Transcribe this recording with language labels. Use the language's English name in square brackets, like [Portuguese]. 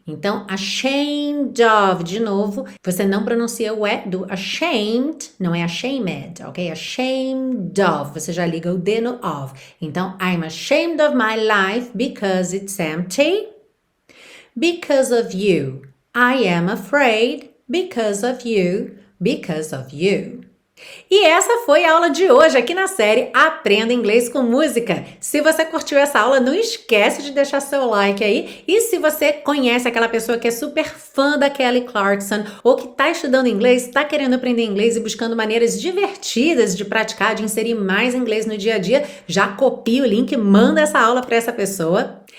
[Portuguese] Então, [English] ashamed of, [Portuguese] de novo, você não pronuncia o E do ashamed, não é ashamed, ok? [English] Ashamed of, [Portuguese] você já liga o D no of. [English] Então, I'm ashamed of my life because it's empty. Because of you, I am afraid because of you, because of you. [Portuguese] E essa foi a aula de hoje aqui na série Aprenda Inglês com Música. Se você curtiu essa aula, não esquece de deixar seu like aí. E se você conhece aquela pessoa que é super fã da Kelly Clarkson ou que está estudando inglês, está querendo aprender inglês e buscando maneiras divertidas de praticar, de inserir mais inglês no dia a dia, já copia o link e manda essa aula para essa pessoa.